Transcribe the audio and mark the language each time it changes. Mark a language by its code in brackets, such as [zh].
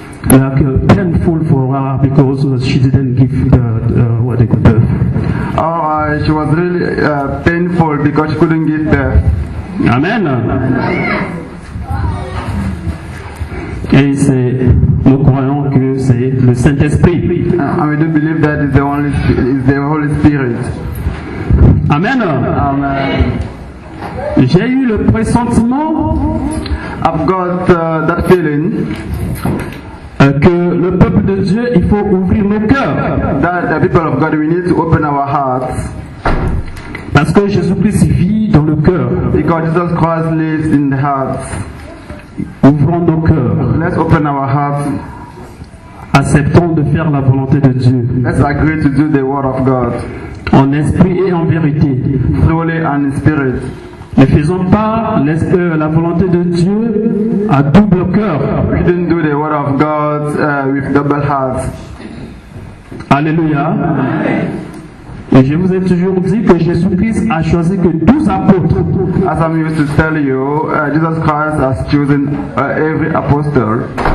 [en] Like painful for her because she didn't give birth. She was really painful because she couldn't give birth. Amen. [fr] Et c'est, nous croyons que c'est le Saint-Esprit. [en] And we do believe that is the Holy Spirit. Amen. Amen. [fr] J'ai eu le pressentiment, [en] I've got that feeling, [fr] que le peuple de Dieu, il faut ouvrir nos cœurs. [en] That the people of God, we need to open our hearts. [fr] Parce que Jésus-Christ vit dans le cœur. [en] Because Jesus Christ lives in the hearts. [fr] Ouvrons nos cœurs. [en] Let's open our hearts. [fr] Acceptons de faire la volonté de Dieu. [en] Let's agree to do the word of God. [fr] En esprit et en vérité. [en] Truly and in spirit. [fr] Ne faisons pas la volonté de Dieu à double cœur. [en] We didn't do the word of God with double heart. Alléluia. [fr] Et je vous ai toujours dit que Jésus-Christ a choisi que 12 apôtres. [en] As I'm used to tell you, Jesus Christ has chosen every apostle.